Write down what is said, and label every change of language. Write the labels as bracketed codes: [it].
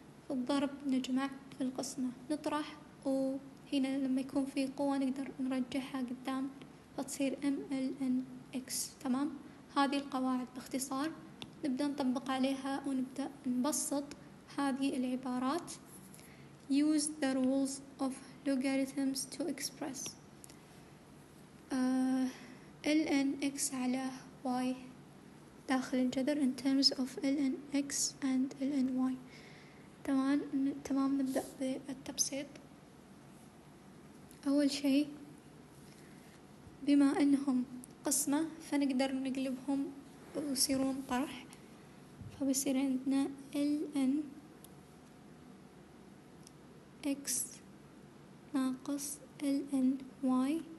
[ar] الضرب نجمع القسمة نطرح، وهنا لما يكون في قوة نقدر نرجعها قدام فتصير MLNX. تمام، هذه القواعد باختصار نبدأ نطبق عليها ونبدأ نبسط هذه العبارات. [en] Use the rules of logarithms to express LNX [ar] على Y داخل الجذر [en] in terms of LNX and LNY. [ar] تمام، نبدأ بالتبسيط. أول شيء بما أنهم قسمة فنقدر نقلبهم ويصيرون طرح، فبصير عندنا LN X ناقص LN Y.